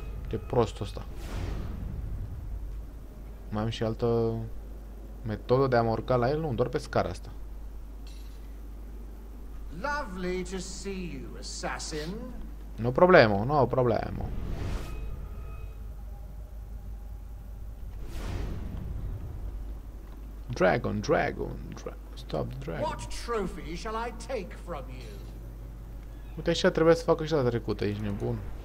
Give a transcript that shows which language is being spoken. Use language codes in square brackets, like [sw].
[ro] E prostul ăsta. Mai am și altă metodă de a mă urca la el? Nu, doar pe scara asta. [en] Lovely to see you, assassin. No problemo, no problemo. Dragon, dragon, stop dragon. What trophy shall I take from you? [ro] Uite așa trebuie să facă și la trecută, ești nebun.